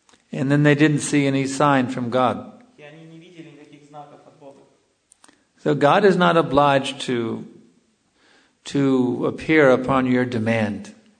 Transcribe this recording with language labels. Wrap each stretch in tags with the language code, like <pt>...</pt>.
<en>And then they didn't see any sign from God.</en> <ru>И они не видели никаких знаков от Бога.</ru> <en>So God is not obliged to appear upon your demand.</en>